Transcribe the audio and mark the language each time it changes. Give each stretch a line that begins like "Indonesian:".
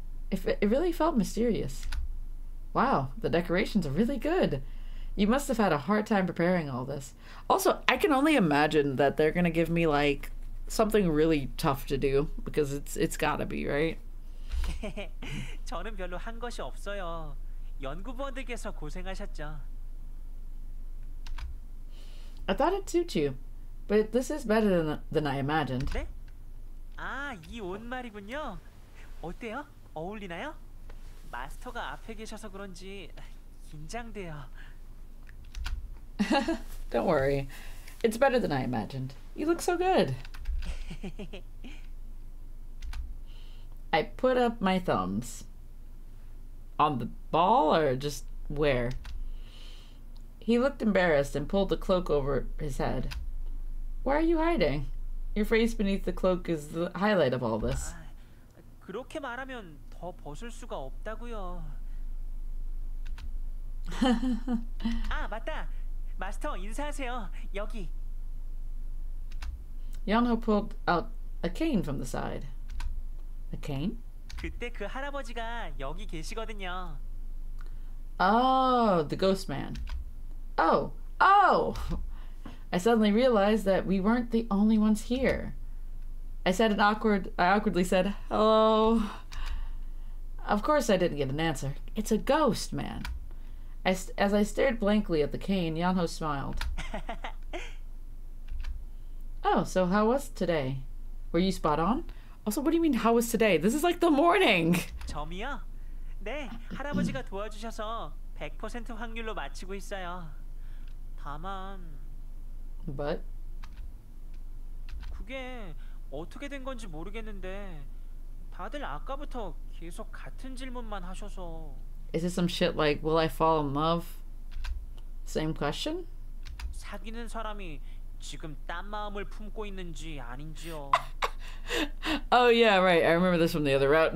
English: It really felt mysterious. Wow, the decorations are really good. You must have had a hard time preparing all this. Also, I can only imagine that they're gonna give me, like, something really tough to do, because it's gotta be, right?
Korean: 저는 별로 한 것이 없어요. 연구부원들께서 고생하셨죠.
English: I thought it'd suit you, but this is better than I imagined.
Korean: 네? 아, 이 옷말이군요. 어때요? 어울리나요? 마스터가 앞에 계셔서 그런지 긴장돼요.
English: Don't worry. It's better than I imagined. You look so good. I put up my thumbs. On the ball or just where? He looked embarrassed and pulled the cloak over his head. Why are you hiding? Your face beneath the cloak is the highlight of all this.
Korean: 그렇게 말하면 더 벗을 수가 없다고요. 아, 맞다. 마스터 인사하세요. 여기.
English: Yeonho pulled out a cane from the side. A cane?
Korean: 그때 그 할아버지가 여기 계시거든요.
English: Oh, the ghost man. Oh, oh! I suddenly realized that we weren't the only ones here. I awkwardly said, hello. Of course I didn't get an answer. It's a ghost, man. As I stared blankly at the cane, Yeonho smiled. Oh, so how was today? Were you spot on? Also, what do you mean, how was today? This is like the morning!
Korean: 점이요? 네, 할아버지가 도와주셔서 100% 확률로 마치고 있어요. 다만...
English: But?
Korean: 그게 어떻게 된 건지 모르겠는데 다들 아까부터 계속 같은 질문만 하셔서...
English: Is it some shit like, will I fall in love? Same question?
Korean: 사귀는 사람이 지금 딴 마음을 품고 있는지 아닌지요.
English: Oh yeah, right. I remember this from the other route.